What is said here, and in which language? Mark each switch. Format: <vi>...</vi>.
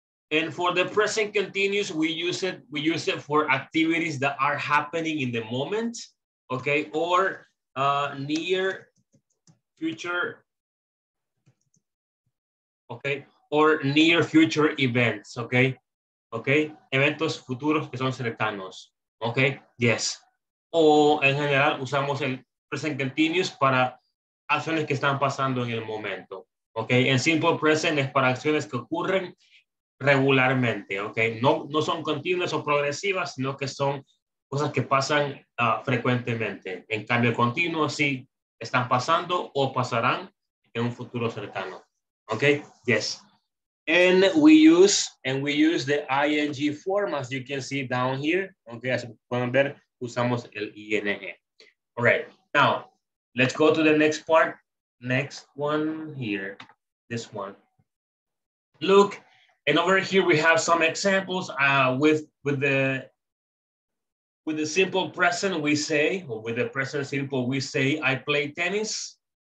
<en>And for the present continuous, we use it for activities that are happening in the moment, okay, or near future, okay, or near future events, okay, okay,</en> <es>eventos futuros que son cercanos,</es> <en>okay, yes.</en> <es>O en general usamos el present continuous para acciones que están pasando en el momento. Okay, en simple present es para acciones que ocurren regularmente. Okay, no son continuas o progresivas, sino que son cosas que pasan frecuentemente. En cambio continuo sí están pasando o pasarán en un futuro cercano.</es> <en>Okay, yes. And we use the ing form, as you can see down here. Okay,</en> <es>as pueden ver, usamos el ING.</es> <en>All right, now let's go to the next part. Next one here, this one. Look, and over here we have some examples with the simple present we say, or with the present simple we say, I play tennis.</en>